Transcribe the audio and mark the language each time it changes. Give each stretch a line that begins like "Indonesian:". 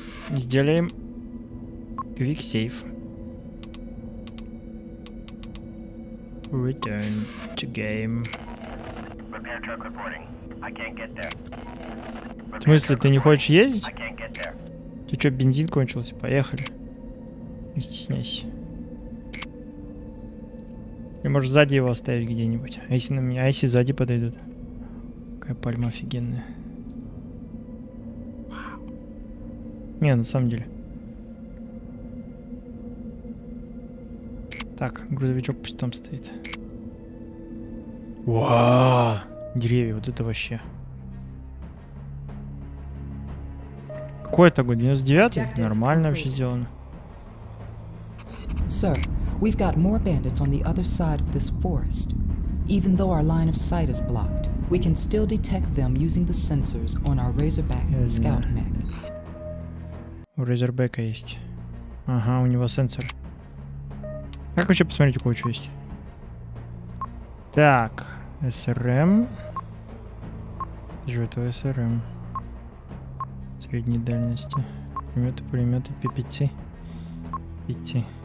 Russian: Сделаем
English: quick save. Return to game. Repair truck reporting. I can't get there.
Russian: В смысле, ты не хочешь ездить? Ты чё, бензин кончился? Поехали. Не стесняйся. Или можешь сзади его оставить где-нибудь? А если на меня, а если сзади подойдут? Какая пальма офигенная. Не, на самом деле. Так, грузовичок пусть там стоит. Вау! Деревья, вот это вообще. Какой это год? 99-й? Нормально вообще сделано.
English: Sir, we've got more bandits on the other side of this forest. Even though our line of sight is blocked, we can still detect them using the sensors on our Razorback Scout Mech.
Russian: У Razorback'а есть. Ага, у него сенсор. Как вообще посмотреть, у кого что есть? Так, SRM. Жу, это SRM. Средней дальности. Пулеметы, пулеметы, пипетцы. Пипетцы.